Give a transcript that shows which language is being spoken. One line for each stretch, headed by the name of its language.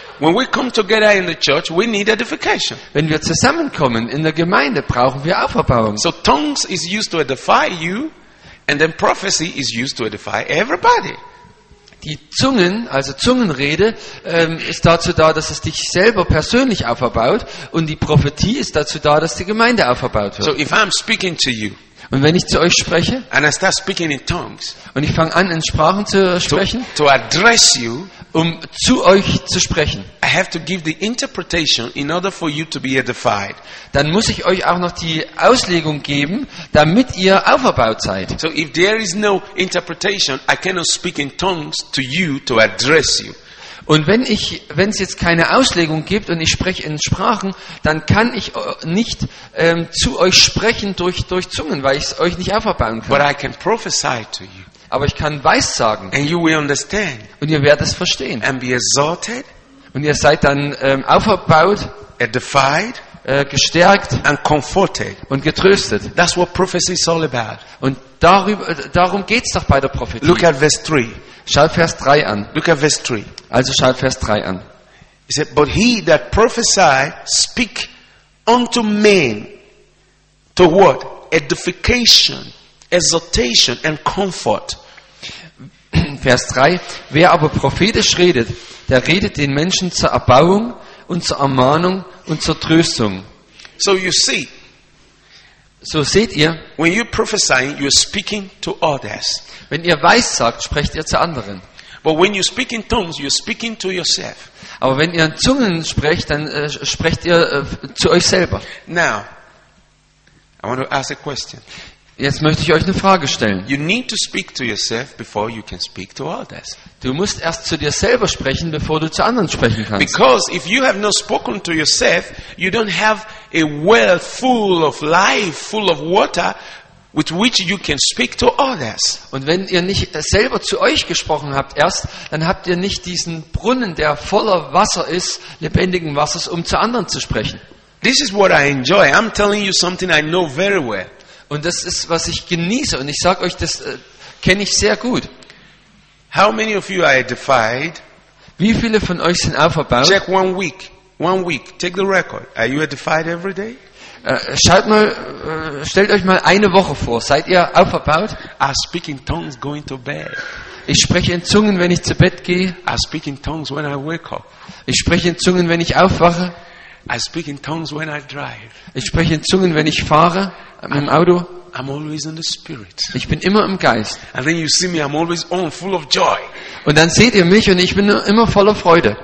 English: When we come together in the church, we need edification.
German: Wenn wir zusammenkommen in der Gemeinde, brauchen wir Auferbauung.
English: So tongues is used to edify you, and then prophecy is used to edify everybody.
German: Die Zungen, also Zungenrede, ist dazu da, dass es dich selber persönlich auferbaut, und die Prophetie ist dazu da, dass die Gemeinde auferbaut wird.
English: So if I'm speaking to you,
German: und wenn ich zu euch spreche,
English: and I start speaking in tongues,
German: und ich fange an, in Sprachen zu sprechen,
English: to address you,
German: um zu euch zu sprechen,
English: I have to give the interpretation in order for you to be edified.
German: Dann muss ich euch auch noch die Auslegung geben, damit ihr auferbaut seid.
English: So if there is no interpretation, I cannot speak in tongues to you to address you.
German: Und wenn es jetzt keine Auslegung gibt und ich spreche in Sprachen, dann kann ich nicht zu euch sprechen durch Zungen, weil ich es euch nicht auferbauen kann.
English: But I can prophesy to you.
German: Aber ich kann weissagen.
English: And you will understand.
German: Und ihr werdet es verstehen.
English: And be exalted.
German: Und ihr seid dann auferbaut,
English: edified,
German: gestärkt
English: and comforted.
German: Und getröstet.
English: That's what prophecy is all about.
German: Und darum geht's doch bei der Prophetie.
English: Look at verse 3.
German: Schau Vers 3 an.
English: Look at verse 3.
German: Also schau Vers 3 an.
English: He said, but he that prophesy speak unto men to what? Edification, exhortation and comfort.
German: Vers 3. Wer aber prophetisch redet, der redet den Menschen zur Erbauung und zur Ermahnung und zur Tröstung.
English: So you see.
German: So seht ihr,
English: when you prophesy, you are speaking to others.
German: Wenn ihr weissagt, sprecht ihr zu anderen.
English: But when you speak in tongues, you are speaking to yourself.
German: Aber wenn ihr in Zungen sprecht, dann sprecht ihr zu euch selber.
English: Now, I want to ask a question.
German: Jetzt möchte ich euch eine Frage stellen.
English: You need to speak to yourself before you can speak to others.
German: Du musst erst zu dir selber sprechen, bevor du zu anderen sprechen kannst.
English: Because if you have not spoken to yourself, you don't have a well full of life, full of water, with which you can speak to others.
German: Und wenn ihr nicht selber zu euch gesprochen habt erst, dann habt ihr nicht diesen Brunnen, der voller Wasser ist, lebendigen Wassers, um zu anderen zu sprechen.
English: This is what I enjoy. I'm telling you something I know very well.
German: Und das ist, was ich genieße, und ich sage euch, das kenne ich sehr gut.
English: How many of you are edified?
German: Wie viele von euch sind auferbaut?
English: Check one week. Take the record. Are you edified every day?
German: Schaut mal, stellt euch mal eine Woche vor. Seid ihr auferbaut?
English: I speak in tongues going to bed.
German: Ich spreche in Zungen, wenn ich zu Bett gehe.
English: I speak in tongues when I wake up.
German: Ich spreche in Zungen, wenn ich aufwache.
English: I speak in tongues when I drive.
German: Ich spreche in Zungen, wenn ich fahre mit dem Auto.
English: I'm always in the spirit.
German: Ich bin immer im Geist.
English: And then you see me, I'm always on, full of joy.
German: Und dann seht ihr mich, und ich bin immer voller Freude.